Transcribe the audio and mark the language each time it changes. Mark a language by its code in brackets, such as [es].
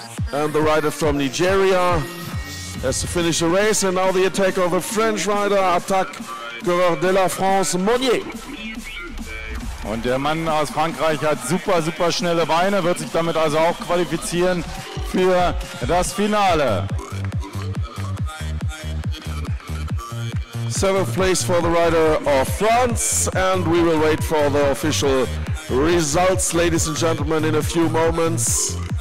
[en] And the rider from Nigeria has to finish the race, and now the attack of a French rider, attack [fr] coureur de la France, [en] Monnier. [de] Und der Mann aus Frankreich hat super, super schnelle Beine, wird sich damit also auch qualifizieren für das Finale. [en] Seventh place for the rider of France, and we will wait for the official results, ladies and gentlemen, in a few moments.